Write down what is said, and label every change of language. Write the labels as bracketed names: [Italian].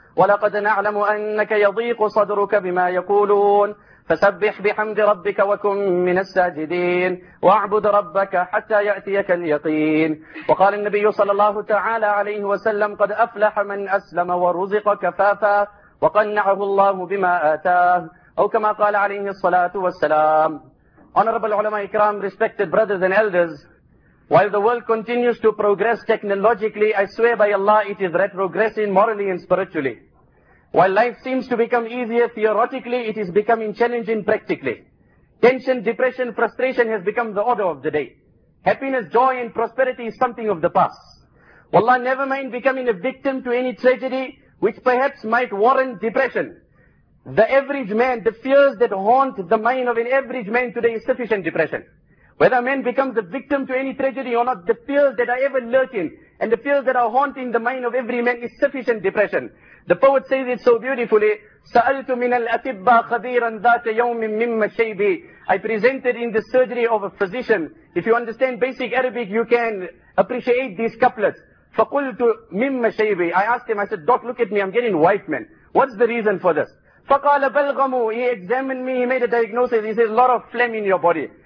[Arabic] ولقد نعلم أنك يضيق صدرك بما يقولون، فسبح بحمد ربك وكن من الساجدين، واعبد ربك حتى يأتيك اليقين. وقال النبي صلى الله تعالى عليه وسلم: قد أفلح من أسلم ورزق كفافا وقنعه الله بما آتاه، أو كما قال عليه الصلاة والسلام. [English] Honorable ulama ikram, respected brothers and elders, while the world continues to progress technologically, I swear by Allah it is retrogressing morally and spiritually. While life seems to become easier theoretically, it is becoming challenging practically. Tension, depression, frustration has become the order of the day. Happiness, joy and prosperity is something of the past. Wallah, never mind becoming a victim to any tragedy which perhaps might warrant depression. The average man, the fears that haunt the mind of an average man today is sufficient depression. Whether a man becomes a victim to any tragedy or not, the fears that are ever lurking and the fears that are haunting the mind of every man is sufficient depression. The poet says it so beautifully, [Arabic] سَأَلْتُ مِنَ الْأَتِبَّى خَذِيرًا ذَاتَ يَوْمٍ مِمَّ شَيْبِ. [English] I presented in the surgery of a physician. If you understand basic Arabic, you can appreciate these couplets. [Arabic] فَقُلْتُ مِمَّ شَيْبِ. [English] I asked him, I said, Doc, look at me, I'm getting white, man. What's the reason for this? [Arabic] فَقَالَ بَلْغَمُ. [English] He examined me, he made a diagnosis, he says, a lot of phlegm in your body.